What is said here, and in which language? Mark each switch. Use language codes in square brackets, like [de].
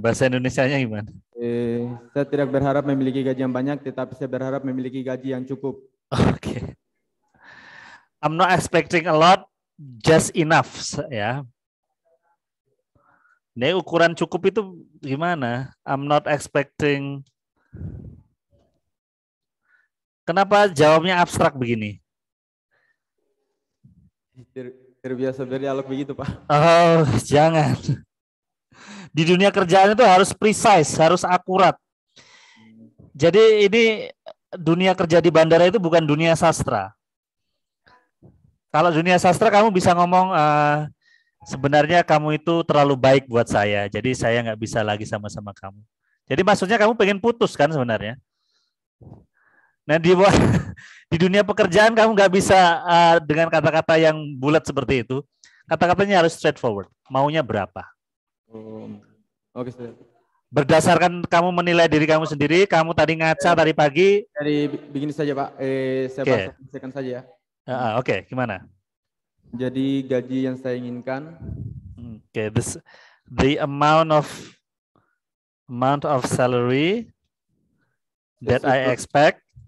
[id] Bahasa Indonesianya gimana? Saya tidak berharap memiliki gaji yang banyak, tetapi saya berharap memiliki gaji yang cukup. Okay. [en] I'm not expecting a lot, just enough, ya. [id] Nih ukuran cukup itu gimana? [en] I'm not expecting. [id] Kenapa jawabnya abstrak begini? Terbiasa berdialog begitu, Pak. Oh, jangan. Di dunia kerjaan itu harus precise, harus akurat. Jadi ini dunia kerja di bandara itu bukan dunia sastra. Kalau dunia sastra kamu bisa ngomong, sebenarnya kamu itu terlalu baik buat saya, jadi saya nggak bisa lagi sama-sama kamu. Jadi maksudnya kamu pengen putus kan sebenarnya. Nah di dunia pekerjaan kamu nggak bisa dengan kata-kata yang bulat seperti itu. Kata-katanya harus straightforward. Maunya berapa? Okay. Berdasarkan kamu menilai diri kamu sendiri, kamu tadi ngaca tadi pagi. Dari begini saja Pak, saya pastikan saja ya. Okay, gimana? Jadi gaji yang saya inginkan. [en] Okay, the amount of salary that I expect.